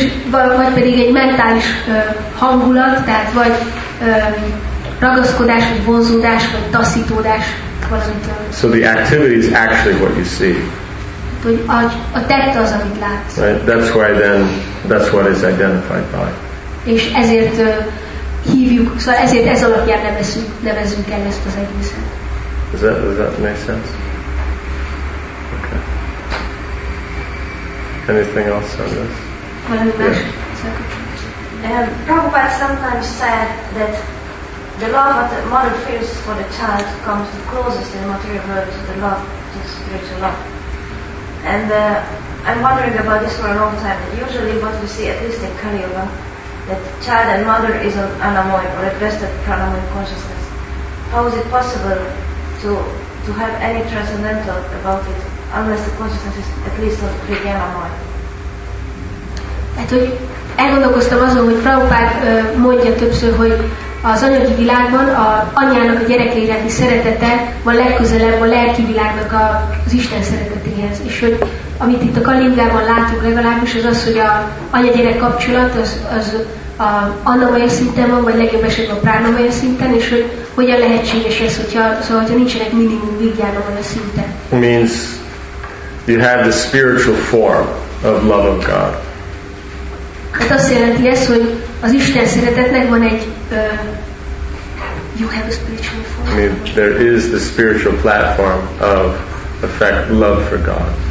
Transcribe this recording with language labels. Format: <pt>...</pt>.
<hu>Vagy pedig egy mentális hangulat, tehát vagy ragaszkodás, vagy vonzódás, vagy taszítódás valamitől.</hu> <en>So the activity is actually what you see.</en> <hu>A tett az, amit látsz.</hu> <en>Right? That's what is identified by.</en> <hu>És ezért hívjuk, szóval ezért ez alapján nevezünk el ezt az egészet.</hu> <en>Does that make sense? Okay. Anything else on this? Prabhupada sometimes said that the love that the mother feels for the child comes the closest in the material world to the love, to the spiritual love. And I'm wondering about this for a long time. Usually what we see, at least in Kali Yuga, that child and mother is an anamoy, or at best a pranamoy consciousness. How is it possible to have any transcendental about it, unless the consciousness is at least a vijnanamoy?</en> <hu>Hát, hogy elgondolkoztam azon, hogy Prabhupada mondja többször, hogy az anyagi világban a anyának a gyereke iránti szeretete van legközelebb a lelki világnak az Isten szeretetéhez. És hogy amit itt a Kali Yugában látunk legalábbis, az az, hogy a anya-gyerek kapcsolat az a Annamaya szinten van, vagy legjobb esetben a Pránamaya szinten, és hogy hogyan lehetséges ez, hogyha nincsenek minimum vigyánok a szinten.</hu> <en>Means you have the spiritual form of love of God.</en> <hu>Hát azt jelenti ez, hogy az Isten szeretetnek van egy</hu> <en>I mean, there is the spiritual platform of effect love for God.</en>